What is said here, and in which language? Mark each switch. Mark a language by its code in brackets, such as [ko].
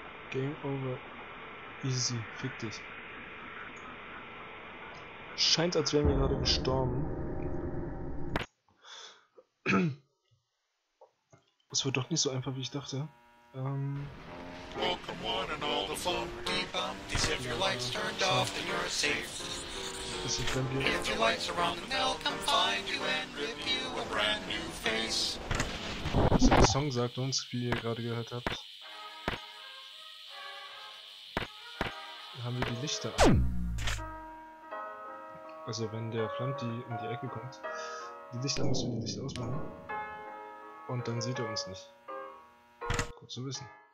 [en] Game over. Easy, [de] fick dich. Scheint, als wären wir gerade gestorben. Es wird doch nicht so einfach, wie ich dachte. [en] Welcome one and all the funky bumpties. If your lights turned off, then you're safe. If your lights are on, then they'll come find you and rip you a brand new face. [de] Also der Song sagt uns, wie ihr gerade gehört habt. Haben wir die Lichter an? Also wenn der Flunky um die Ecke kommt, die Lichter müssen wir die Lichter ausmachen. Und dann sieht er uns nicht. Gut zu wissen.